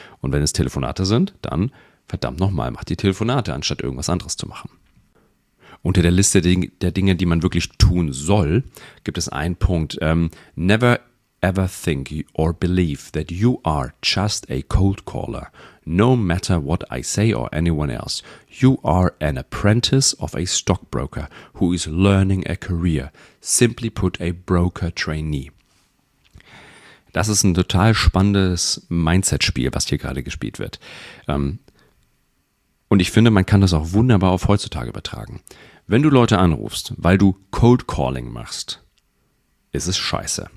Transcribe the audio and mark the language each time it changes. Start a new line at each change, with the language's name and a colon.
German: Und wenn es Telefonate sind, dann verdammt nochmal, mach die Telefonate, anstatt irgendwas anderes zu machen. Unter der Liste der Dinge, die man wirklich tun soll, gibt es einen Punkt,
English: never ever think or believe that you are just a cold caller. No matter what I say or anyone else, you are an apprentice of a stockbroker who is learning a career. Simply put, a broker trainee.
German: Das ist ein total spannendes Mindset-Spiel, was hier gerade gespielt wird. Und ich finde, man kann das auch wunderbar auf heutzutage übertragen. Wenn du Leute anrufst, weil du Cold Calling machst, ist es scheiße.